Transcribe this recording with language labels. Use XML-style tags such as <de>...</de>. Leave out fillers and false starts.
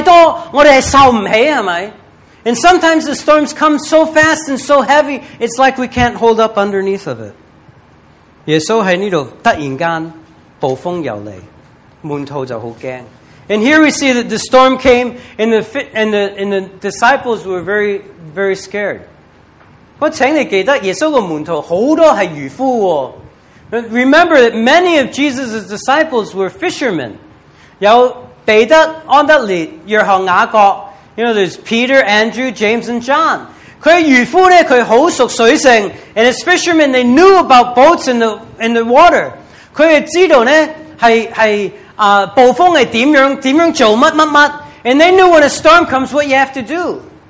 <zh>有时候突然间,有时候太多,我们受不起,是吧?</zh> <en>And sometimes the storms come so fast and so heavy, it's like we can't hold up underneath of it.</en> <zh>耶稣在这里,突然间,暴风又来,门徒就很害怕。</zh> <en>And here we see that the storm came, and the disciples were very, very scared.</en> <zh>我请你记得,耶稣的门徒很多是渔夫哦。</zh> <en>Remember that many of Jesus' disciples were fishermen.</en> <zh>有彼得、安德烈、约翰、雅各,</zh> <en>you know, there's Peter, Andrew, James, and John.</en> <zh>他渔夫呢,他很熟水性,</zh> <en>and as fishermen, they knew about boats in the water.</en> <zh>他也知道呢,暴风是怎样,怎样做什么什么,</zh> <en>and they knew when a storm comes, what you have to do.</en>